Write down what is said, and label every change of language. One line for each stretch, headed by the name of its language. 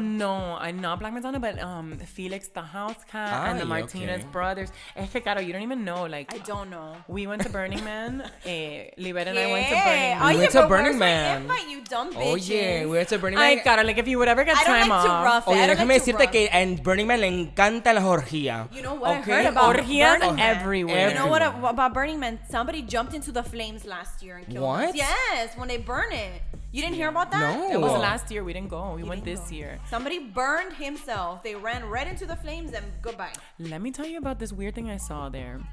English: No, I'm not Black Madonna, but Felix the House Cat aye, and the Martinez okay. Brothers.
Spanish: Es que,
English: Caro, you don't even know. Like, I don't know. We went to Burning Man. Libet and I went to Burning Man. We went to Burning Man. Invite, you dumb bitches. Oh, yeah. We went to Burning Man. Ay, Caro, like if you would ever get time off. I don't like off. To rough it.
Spanish: Oye, déjame decirte que en Burning Man le encanta la orgía.
English: You know what okay? I heard about
Spanish: orgías
English: Burning Man. Everywhere. You know what about Burning Man? Somebody jumped into the flames last year and killed what? Us. Yes, when they burn it. You didn't hear about that? No. It was last year. We didn't go. We went this year. Somebody burned himself. They ran right into the flames and goodbye. Let me tell you about this weird thing I saw there.